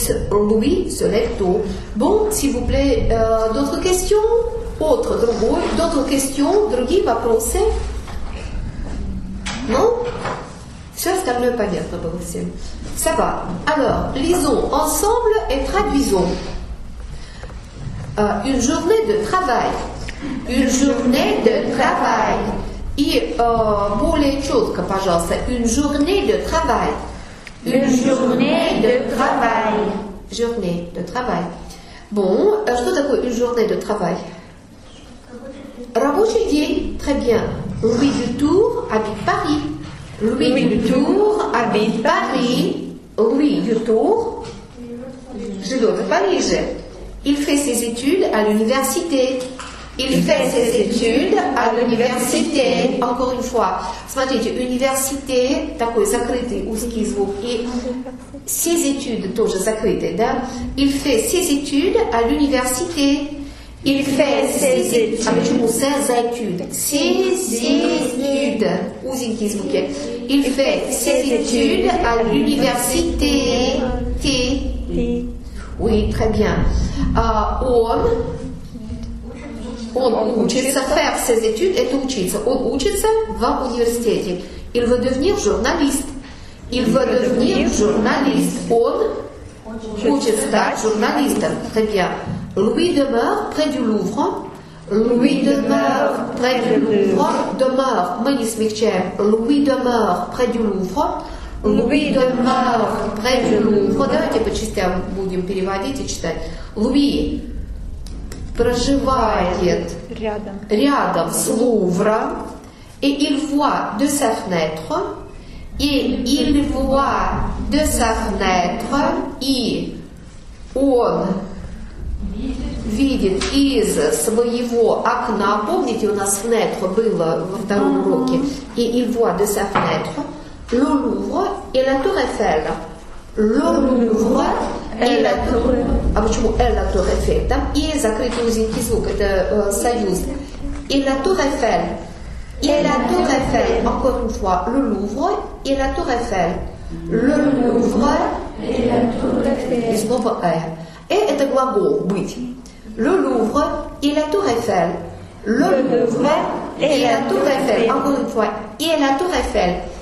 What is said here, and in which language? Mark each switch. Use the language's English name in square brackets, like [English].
[French] Луи, se lève tôt. Bon, s'il vous plaît, d'autres questions? Autre, [Russian] другой. [French] D'autres questions? [Russian] Другие вопросы? [French] Non? [Russian] Все остальное понятно было всем. [French] Ça va. Alors, lisons ensemble et traduisons. Une journée de travail. Une journée de travail. [Russian] И более четко, пожалуйста, [French] une journée de travail. Une journée de travail. Journée de travail. Bon, [Russian] что такое [French] une journée de travail? [Russian] Рабочий день. [French] Très bien. Louis Dutour habite Paris. Louis Dutour habite Paris. [Russian] Louis Dutour живет в Париже. [French] Il fait ses études à l'université. Il fait ses études à l'université. Encore une fois, [Russian] смотрите, université, такой закрытый узкий звук, [French] et ses études, [Russian] тоже закрытый, да? [French] Il fait ses études à l'université. Il fait ses études. Avec un mot, ses études. Ses études. [Russian] Узенький звук. [French] Il fait ses études à l'université. T. Oui, très bien. [Russian] Он учится [French] faire ses études, [Russian] это учиться. Он учится в университете. [French] Il veut devenir journaliste. Il veut devenir journaliste. [Russian] Он хочет стать журналистом. [French] Très bien. Louis demeure près du Louvre. Louis demeure près du Louvre. [Russian] Demeure, мы не смягчаем. [French] Louis demeure près du Louvre. Louis demeure près du Louvre. [Russian] Давайте по частям будем переводить и читать. Louis проживает рядом с Лувром. [French] Et il voit de sa fenêtre, et il voit de sa fenêtre, et [Russian] он видит из своего окна, помните, у нас fenêtre было во втором уроке, [French] et il voit de sa fenêtre, le Louvre et la Tour Eiffel. Le Louvre et la Tour Eiffel. [Russian] А почему [French] «elle» la Tour Eiffel? [Russian] Там «и» закрытый узенький звук, это союз. [French] Et la Tour Eiffel. Et la Tour Eiffel, encore une fois, le Louvre et la Tour Eiffel. Le Louvre et la Tour Eiffel. [Russian] Et снова R. [French] Et est un [Russian] глагол, быть. [French] Le Louvre et la Tour Eiffel. Le Louvre et la Tour Eiffel. Encore une fois, et la Tour Eiffel.